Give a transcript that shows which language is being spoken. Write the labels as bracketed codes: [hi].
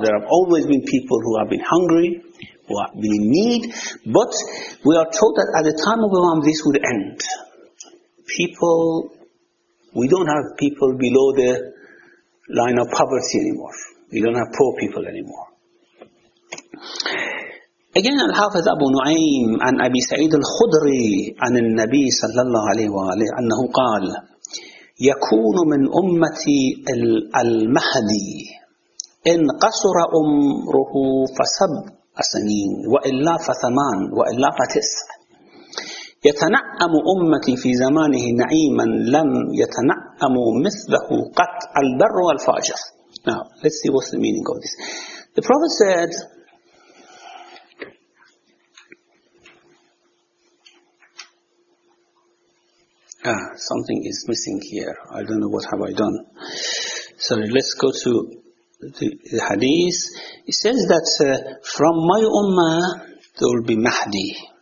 [en] There have always been people who have been hungry, who have been in need. But we are told that at the time of Imam, this would end. People, we don't have people below the line of poverty anymore. We don't have poor people anymore. Again, [ar] Al-Hafiz Abu Nu'aym and Abi Sa'id Al-Khudri and Al-Nabi Sallallahu Alaihi Wasallam annahu qal, يكون من أمتي المهدي إن قصر عمره فسبع سنين وإلا فثمان وإلا فتسع يتنعم أمتي في زمانه نعيما لم يتنعم مثله قط البر والفاجر. [en] Now let's see what's the meaning of this. The Prophet said, Something is missing here. I don't know what have I done. Sorry, let's go to the hadith. It says that from my ummah there will be Mahdi.